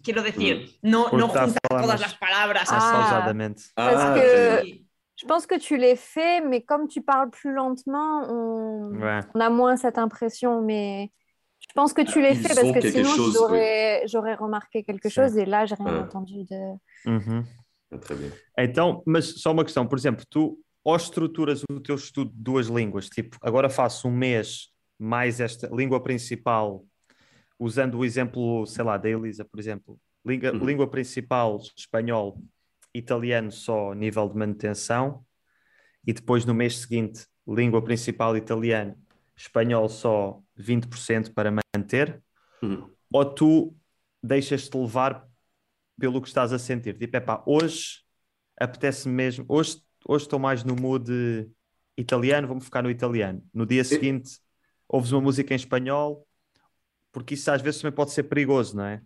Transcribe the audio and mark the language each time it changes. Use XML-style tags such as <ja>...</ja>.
<es>Quiero decir, no junta todas las palabras. Pausadamente. Es que.</es> <fr>Je pense que tu l'es fait, mais comme tu parles plus lentement, on a moins cette impression. Mais je pense que tu l'es fait parce que sinon, j'aurais remarqué quelque chose et là, j'ai rien entendu de... Mm-hmm. Très bien.</fr> <pt>Então, mas só uma questão. Por exemplo, tu ou estruturas o teu estudo de 2 línguas? Tipo, agora faço 1 mês mais esta língua principal, usando o exemplo, sei lá, da Elisa, por exemplo. Língua principal, espanhol... italiano só nível de manutenção e depois no mês seguinte língua principal italiano espanhol só 20% para manter ou tu deixas-te levar pelo que estás a sentir tipo, epá, hoje apetece-me mesmo hoje estou mais no mood italiano, vou-me focar no italiano no dia seguinte ouves uma música em espanhol porque isso às vezes também pode ser perigoso, não é?</pt>